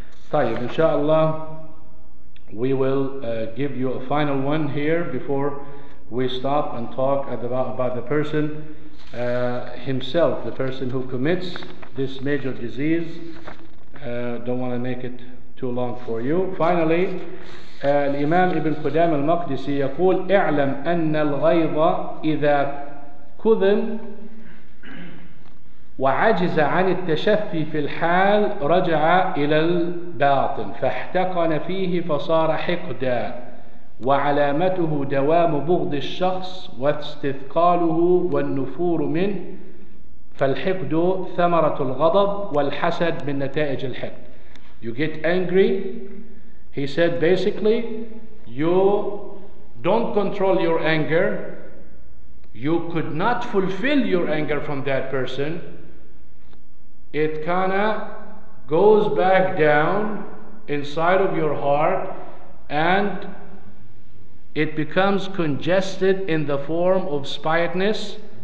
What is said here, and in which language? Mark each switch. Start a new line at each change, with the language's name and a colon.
English: Tayyib, inshallah, we will give you a final one here before we stop and talk about the person himself, the person who commits this major disease. Don't want to make it too long for you.
Arabic: Finally, Imam Ibn Qudam al-Maqdisi يقول اعلم أن الغيظ إذا كذم وعجز عن التشفي في الحال رجع إلى الباطن فاحتقن فيه فصار حقدا وعلامته دوام بغض الشخص واستثقاله والنفور منه، فالحقد ثمرة الغضب والحسد من نتائج الحقد.
English: You get angry, he said basically, you don't control your anger, you could not fulfill your anger from that person, it kind of goes back down inside of your heart and it becomes congested in the form of spitefulness.